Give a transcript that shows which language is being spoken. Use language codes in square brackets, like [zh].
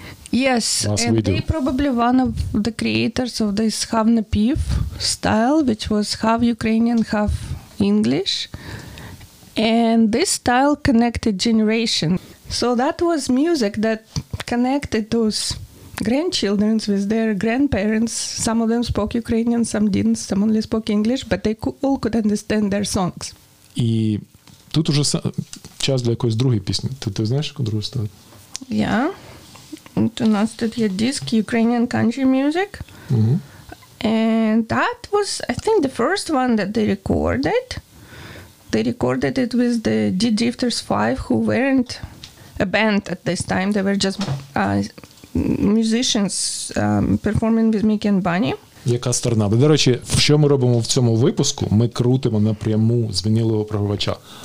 [en] Yes, they probably one of the creators of this half-Napiv style, which was half Ukrainian, half English. And this style connected generation. So that was music that connected those grandchildren with their grandparents. Some of them spoke Ukrainian, some didn't, some only spoke English, but they all could understand their songs. [uk] І тут уже час для якоїсь другої пісні. Ти знаєш, яку другу ставити? Yeah. У нас тут є диск [en] Ukrainian country music. And that was, I think, the first one that they recorded. They recorded it with the D-Drifters 5, who weren't a band at this time. They were just musicians performing with Mickey and Bunny. [uk] Яка сторона? До речі, що ми робимо в цьому випуску? Ми крутимо напряму з вінілового програвача.